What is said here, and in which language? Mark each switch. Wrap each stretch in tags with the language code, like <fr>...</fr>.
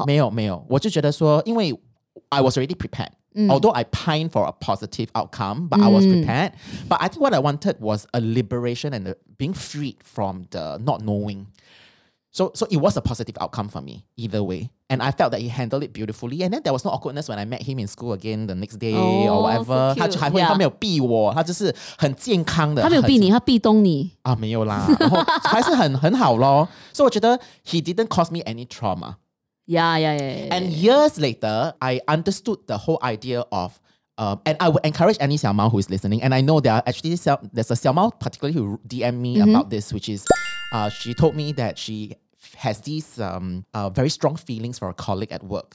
<zh>你没有更爱他了？哦，没有，没有，没有，没有。我就觉得说，因为</zh> <en>I was already prepared. Although I pined for a positive outcome, but I was prepared. But I think what I wanted was a liberation and being freed from the not knowing. So it was a positive outcome for me, either way. And I felt that he handled it beautifully. And then there was no awkwardness when I met him in school again the next day or whatever. So cute.</en> <zh>他就还会，他没有避我，他就是很健康的。他没有避你，他避冬你。啊，没有啦，然后还是很好咯。</zh> <en>So</en> <zh>我觉得</zh> <en>he didn't cause me any trauma. Yeah. And years later, I understood the whole idea of and I would encourage any Xiao Mao who is listening. And I know there are actually there's a Xiao Mao particularly who DM'd me about this, which is she told me that she has these very strong feelings for a colleague at work.</en>